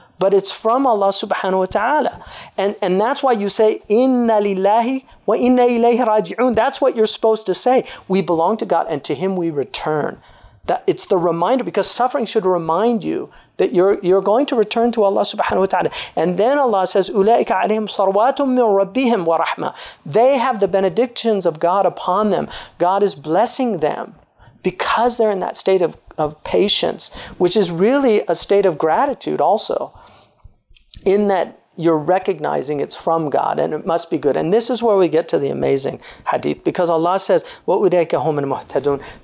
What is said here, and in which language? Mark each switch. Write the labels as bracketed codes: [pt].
[en] But it's from Allah subhanahu wa ta'ala. And that's why you say, [ar] إِنَّ لِلَّهِ وَإِنَّ إِلَيْهِ رَاجِعُونَ. [en] That's what you're supposed to say. We belong to God and to Him we return. That it's the reminder, because suffering should remind you that you're going to return to Allah subhanahu wa ta'ala. And then Allah says, [ar] أُولَٰئِكَ عَلَيْهِمْ صَرْوَاتٌ مِّنْ رَبِّهِمْ وَرَحْمَةٌ. [en] They have the benedictions of God upon them. God is blessing them because they're in that state of patience, which is really a state of gratitude also, in that you're recognizing it's from God and it must be good. And this is where we get to the amazing hadith, because Allah says, [ar] وَأُولَيْكَ هُمَ الْمُهْتَدُونَ.